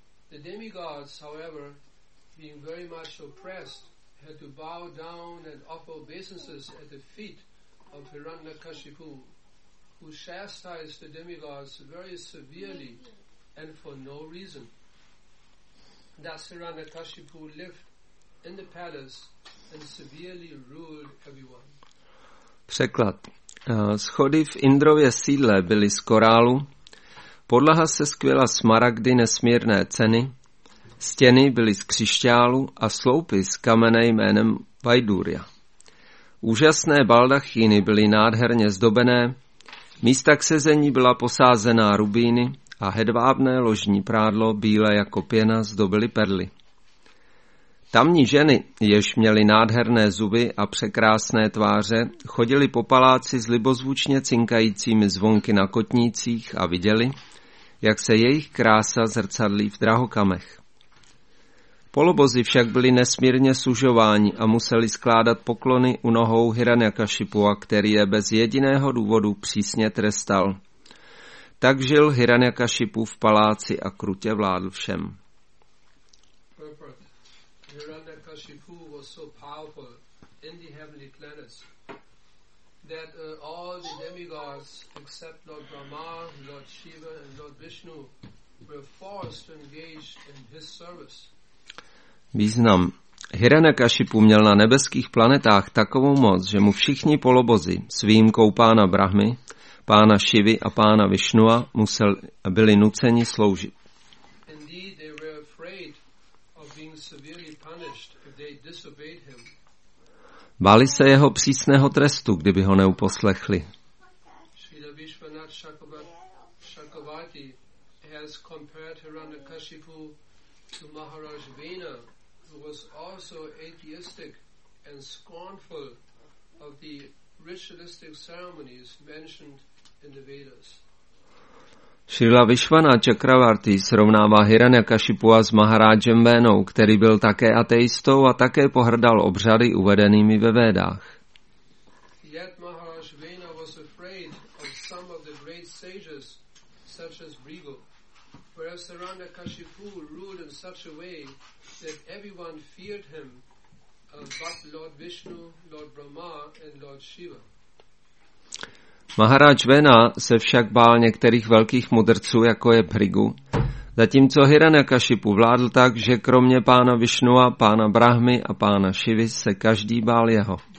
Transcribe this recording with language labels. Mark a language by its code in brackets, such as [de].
[en] The demigods, however, being very much oppressed, had to bow down and offer obeisances at the feet of Hiranyakashipu, who chastised the demigods very severely and for no reason. Thus Hiranyakashipu lived in the palace and severely ruled everyone. [cs] Překlad. Schody v Indrově sídle byly z korálu, podlaha se skvěla smaragdy nesmírné ceny, stěny byly z křišťálu a sloupy z kamene jménem Vajdurya. Úžasné baldachíny byly nádherně zdobené, místa k sezení byla posázená rubíny a hedvábné ložní prádlo bílé jako pěna zdobily perly. Tamní ženy, jež měly nádherné zuby a překrásné tváře, chodily po paláci s libozvučně cinkajícími zvonky na kotnících a viděly, jak se jejich krása zrcadlí v drahokamech. Polobozy však byli nesmírně sužováni a museli skládat poklony u nohou Hiranyakashipua, který je bez jediného důvodu přísně trestal. Tak žil Hiranyakashipu v paláci a krutě vládl všem. [en] Hiranyakashipu was so powerful in the heavenly planets that all the demigods except Lord Brahma, Lord Shiva and Lord Vishnu were forced to engage in his service. [cs] Význam. Hiranyakashipu měl na nebeských planetách takovou moc, že mu všichni polobozy, s výjimkou pána Brahmy, pána Šivy a pána Višnua, byli nuceni sloužit. [en] Indeed, they were afraid of being severely punished if they disobeyed him. [cs] Báli se jeho přísného trestu, kdyby ho neuposlechli. [en] Srila Vishvanath Chakravarti has compared Hiranyakashipu to Maharaj Vena, who was also atheistic and scornful of the ritualistic ceremonies mentioned in the Vedas. [cs] Srila Vishvanath Chakravarti srovnává Hiranyakashipua s Maharajem Venou, který byl také ateistou a také pohrdal obřady uvedenými ve Vedách. [en] Yet Maharaj Vena was afraid of some of the great sages such as Bhrigu, whereas Hiranyakashipu ruled in such a way that everyone feared him but Lord Vishnu, Lord Brahma and Lord Shiva. [cs] Maharaj Vena se však bál některých velkých mudrců, jako je Bhrigu, zatímco Hiranyakashipu vládl tak, že kromě pána Vishnua, pána Brahmy a pána Shivy se každý bál jeho.